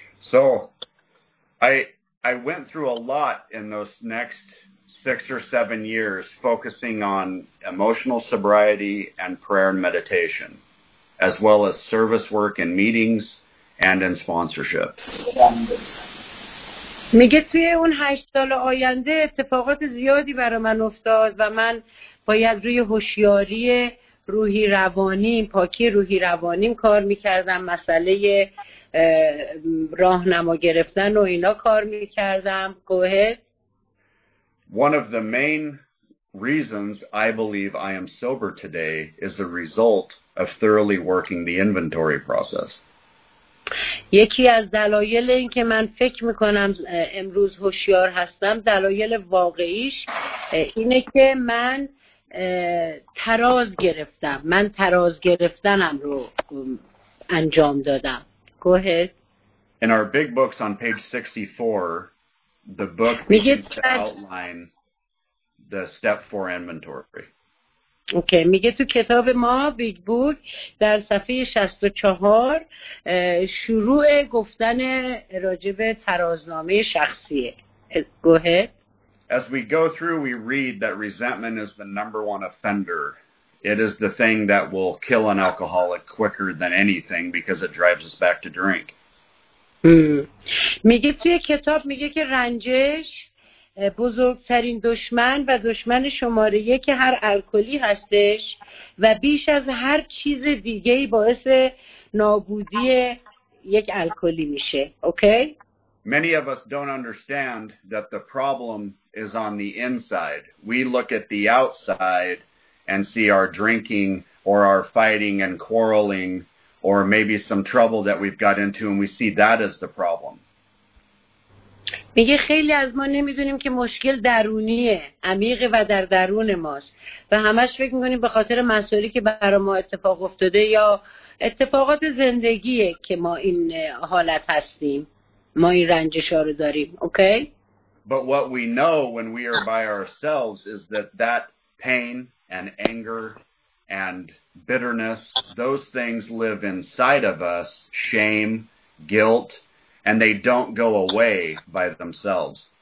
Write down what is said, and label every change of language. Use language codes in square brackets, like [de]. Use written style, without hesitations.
[en] So, I went through a lot in those next 6 or 7 years focusing on emotional sobriety and prayer and meditation, as well as service work in meetings and in sponsorship. [fa] میگه توی اون 8 سال آینده اتفاقات زیادی برای من افتاد و من باید روی هوشیاری روحی روانی، پاکی روحی روانیم کار میکردم، مسئله راهنما گرفتن و اینا کار میکردم. [en] گوهر، one of the main reasons I believe I am sober today is the result of thoroughly working the inventory process. [fa] یکی از دلایل این که من فکر می‌کنم امروز هوشیار هستم، دلایل واقعیش اینه که من تراز گرفتم. من تراز گرفتنم رو انجام دادم. [en] Go ahead. In our big books on page 64, the book begins to outline the step 4 inventory. [fa] Okay, میگه تو کتاب ما بیگ بوک در صفحه 64 شروع گفتن راجب ترازنامه شخصیه. [en] Go ahead. As we go through, we read that resentment is the number one offender. It is the thing that will kill an alcoholic quicker than anything because it drives us back to drink. [fa] میگه توی کتاب میگه که رنجش بزرگترین دشمن و دشمن شماره یک هر الکلی هستش و بیش از هر چیز دیگه‌ای باعث نابودی یک الکلی میشه. اوکی؟ [en] Many of us don't understand that the problem is on the inside. We look at the outside and see our drinking or our fighting and quarreling or maybe some trouble that we've got into, and we see that as the problem. [fa] میگه خیلی از ما نمیدونیم که مشکل درونیه، عمیق و در درون ماست و همش فکر میکنیم به خاطر مسائلی که برای ما اتفاق افتاده یا اتفاقات زندگیه که ما این حالت هستیم، ما این رنجش ها رو داریم. اوکی؟ [en] But what we know when we are by ourselves is that that pain and anger and bitterness, those things live inside of us, shame, guilt, and they don't go away by themselves.